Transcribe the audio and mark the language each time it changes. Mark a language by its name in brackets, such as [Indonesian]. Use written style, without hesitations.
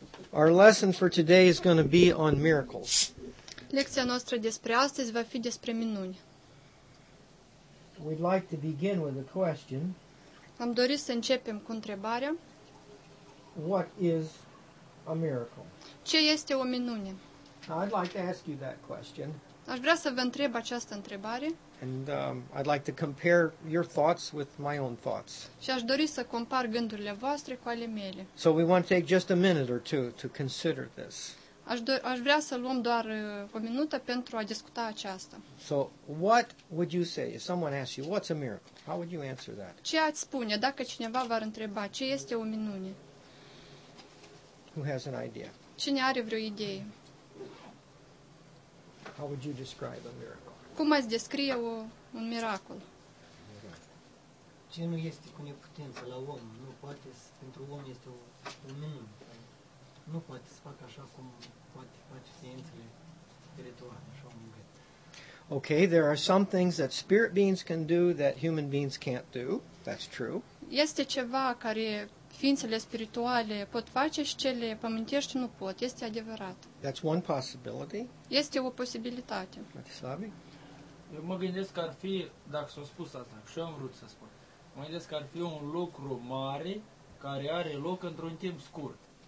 [English] Our lesson for today is going to be on miracles. [Romanian] Lecția noastră despre astăzi va fi despre minuni. [English] We'd like to begin with a question. [Romanian] Am dorit să începem cu întrebarea. [English] What is a miracle? [Romanian] Ce este o minune? [English] I'd like to ask you that question. [Romanian] Aș vrea să vă întreb această întrebare. [English] And I'd like to compare your thoughts with my own thoughts. [Romanian] Și aș dori să compar gândurile voastre cu ale mele. [English] So we want to take just a minute or two to consider this. [Romanian] Aș vrea să luăm doar o minută pentru a discuta aceasta. [English] So what would you say if someone asked you what's a miracle? How would you answer that? [Romanian] Ce ați spune dacă cineva v-ar întreba ce este o minune? [English] Who has an idea? [Romanian] Cine are vreo idee? [English] How would you describe a miracle? [Romanian] Cum ați descrie un miracol? Ce nu este cu neputință la om, nu poate, pentru om este o minune. Nu poate să facă așa cum poate face ființele spirituale, așa un moment. [English] Okay, there are some things that spirit beings can do that human beings can't do. That's true. [Romanian] Este ceva care ființele spirituale pot face și cele pământești nu pot. Este adevărat. [English] That's one possibility. [Romanian] Este o posibilitate. Matisabi? Eu mă gândesc că ar fi, dacă s-a spus asta, și eu am vrut să spun, mă gândesc că ar fi un lucru mare care are loc într-un timp scurt.